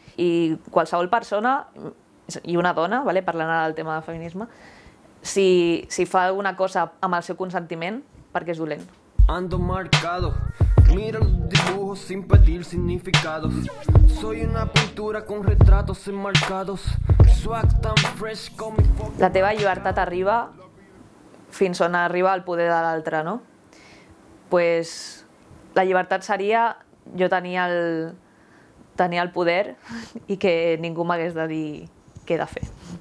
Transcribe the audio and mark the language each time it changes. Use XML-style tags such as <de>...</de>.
<ca>I qualsevol persona, i una dona, vale, parlant ara del tema del feminisme, si fa alguna cosa amb el seu consentiment, perquè és dolent.</ca> <es>Ando marcado, Miro los dibujos sin pedir significados. Soy una pintura con retratos enmarcados.</es> <en>Swag</en> <es>tan fresh con mi foc.</es> <ca>La teva llibertat arriba fins on arriba el poder de l'altre, no? Pues la llibertat seria jo tenir el poder i que ningú m'hagués de dir què he de fer.</ca>